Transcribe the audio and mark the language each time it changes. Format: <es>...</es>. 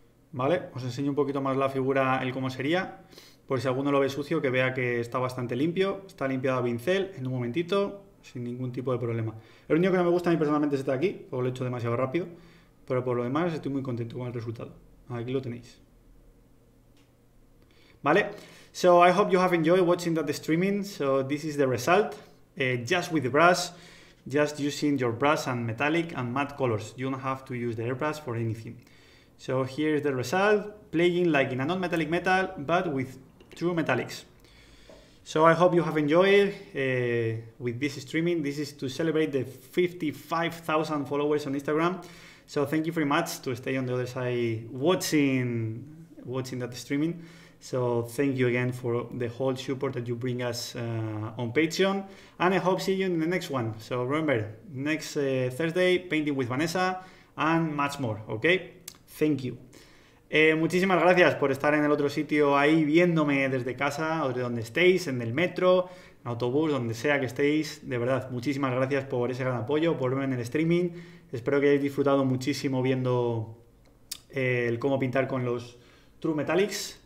<es>Vale, os enseño un poquito más la figura, el cómo sería, por si alguno lo ve sucio, que vea que está bastante limpio, está limpiado a pincel en un momentito, sin ningún tipo de problema. El único que no me gusta a mí personalmente es este de aquí, porque lo he hecho demasiado rápido, pero por lo demás estoy muy contento con el resultado. Aquí lo tenéis.</es> <en>Vale, so I hope you have enjoyed watching that streaming. So this is the result, just with the brush, just using your brush and metallic and matte colors. You don't have to use the airbrush for anything. So here is the result, playing like in a non-metallic metal, but with true metallics. So I hope you have enjoyed with this streaming. This is to celebrate the 55,000 followers on Instagram. So thank you very much to stay on the other side watching that streaming. So thank you again for the whole support that you bring us on Patreon. And I hope see you in the next one. So remember, next Thursday, painting with Vanessa and much more, okay? Thank you.</en> <es>Muchísimas gracias por estar en el otro sitio ahí viéndome desde casa o de donde estéis, en el metro, en autobús, donde sea que estéis. De verdad, muchísimas gracias por ese gran apoyo, por verme en el streaming. Espero que hayáis disfrutado muchísimo viendo el cómo pintar con los True Metallics.</es>